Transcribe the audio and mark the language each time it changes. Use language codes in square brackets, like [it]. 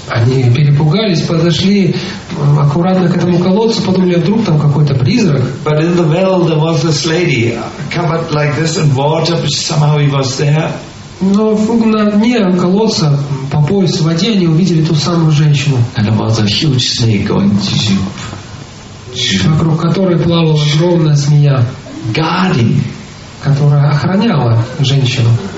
[ru] Они перепугались, подошли аккуратно к этому колодцу, подумали, вдруг там какой-то призрак. [en] But in the well there was this lady covered like this in water, but somehow he was there. [ru] Но на дне колодца по пояс в воде они увидели ту самую женщину. [en] And there was a huge snake going to zoop. [ru] Вокруг которой плавала огромная змея. [en] Guarding. [ru] Которая охраняла женщину.